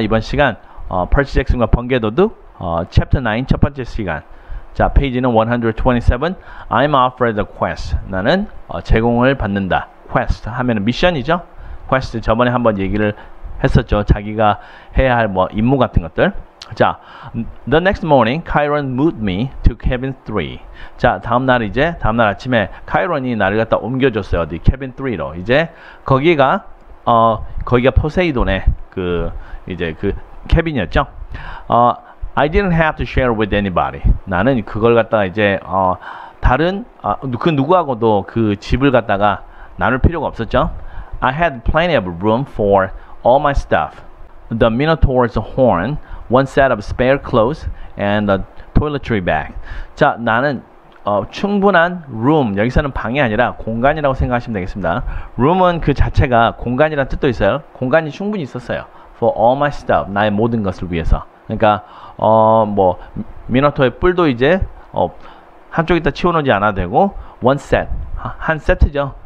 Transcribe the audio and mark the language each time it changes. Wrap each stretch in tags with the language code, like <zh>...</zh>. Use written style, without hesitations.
<ko>이번 시간 퍼시 잭슨과 번개 도둑 챕터 9 첫 번째 시간. 자, 페이지는 127.</ko> <en>I'm offered a quest.</en> <ko>나는 제공을 받는다. quest 하면은 미션이죠. quest 저번에 한번 얘기를 했었죠. 자기가 해야 할 뭐 임무 같은 것들.</ko> <en>자, the next morning Chiron moved me to cabin 3.</en> <ko>자, 다음 날 이제 다음 날 아침에 카이론이 나를 갖다 옮겨 줬어요. 어디 cabin 3로. 이제 거기가 거기가 포세이돈의 그 이제 그 캐빈이었죠.</ko> <en>I didn't have to share with anybody.</en> <ko>나는 그걸 갖다가 이제 다른 그 누구하고도 그 집을 갖다가 나눌 필요가 없었죠.</ko> <en>I had plenty of room for all my stuff. The Minotaur's horn, one set of spare clothes, and a toiletry bag.</en> <ko>자, 나는 충분한 room, 여기서는 방이 아니라 공간이라고 생각하시면 되겠습니다. room은 그 자체가 공간이라는 뜻도 있어요. 공간이 충분히 있었어요.</ko> <en>for all my stuff,</en> <ko>나의 모든 것을 위해서. 그러니까 뭐 미노토의 뿔도 이제 한쪽에다 치워놓지 않아도 되고</ko> <en>one set,</en> <ko>한 세트죠.</ko>